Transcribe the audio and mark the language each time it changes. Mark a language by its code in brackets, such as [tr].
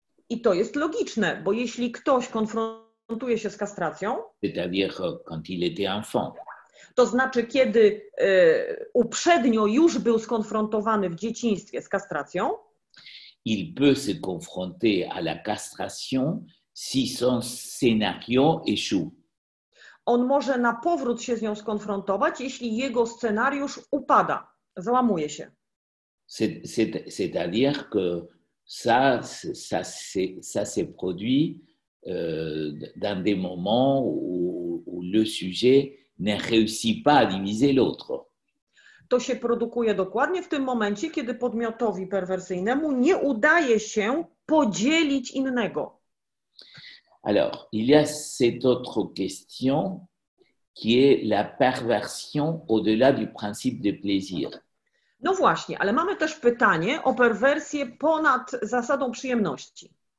[pl] I to jest logiczne, bo jeśli ktoś konfrontuje się z kastracją. [fr] C'est-à-dire quand il était enfant. [pl] To znaczy, kiedy uprzednio już był skonfrontowany w dzieciństwie z kastracją. [fr] Il peut se confronter à la castration si son scénario échoue. [pl] On może na powrót się z nią skonfrontować, jeśli jego scenariusz upada, załamuje się. [fr] C'est-à-dire que ça s'est produit dans des moments où le sujet ne réussit pas à diviser l'autre. [pl] To się produkuje dokładnie w tym momencie, kiedy podmiotowi perwersyjnemu nie udaje się podzielić innego. [fr] Alors, il y a cette autre question qui est la perversion au-delà du principe de plaisir. [pl] No właśnie, ale mamy też pytanie o perwersję ponad zasadą przyjemności.